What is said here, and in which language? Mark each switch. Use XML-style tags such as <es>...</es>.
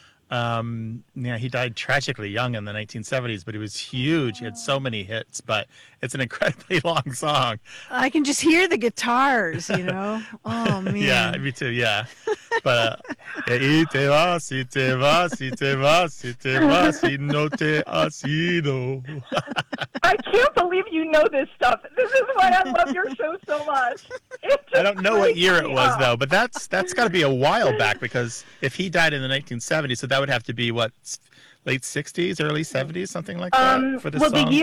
<en>He died tragically young in the 1970s, but he was huge. He had so many hits, but it's an incredibly long song. I can just hear the guitars, you know. Oh, man. Yeah, me too, yeah.</en> <es>But, y te vas, y te vas, y te vas, y te vas, y no te has ido.</es> <en>I can't believe you know this stuff. This is why I love your show so much. I don't know what year it was, though, but that's got to be a while back, because if he died in the 1970s, so that would have to be, what, late 60s, early 70s, something like that, for this song?</en>